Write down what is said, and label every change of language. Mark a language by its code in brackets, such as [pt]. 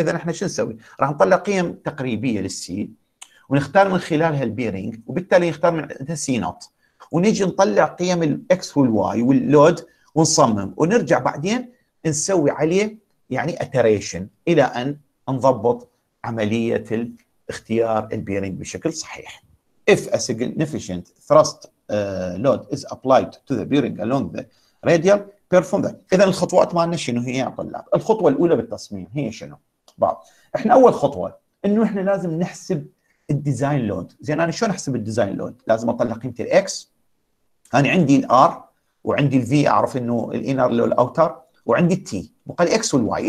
[ar] اذا احنا شو نسوي؟ راح نطلع قيم تقريبيه للسي ونختار من خلالها البيرنج، وبالتالي نختار من السي نوت، ونجي نطلع قيم الاكس والواي واللود ونصمم، ونرجع بعدين نسوي عليه يعني اتريشن الى ان نضبط عمليه الاختيار البيرنج بشكل صحيح. [en] If a significant thrust load is applied to the bearing along the radial, perform that. [ar] اذا الخطوات مالنا شنو هي يا طلاب؟ الخطوه الاولى بالتصميم هي شنو؟ بعض احنا اول خطوه انه احنا لازم نحسب الديزاين لود. زين، انا شلون احسب الديزاين لود؟ لازم اطلع قيمه الاكس، انا عندي الار وعندي الفي، اعرف انه الانر لو الاوتر، وعندي التي، وقال اكس والواي.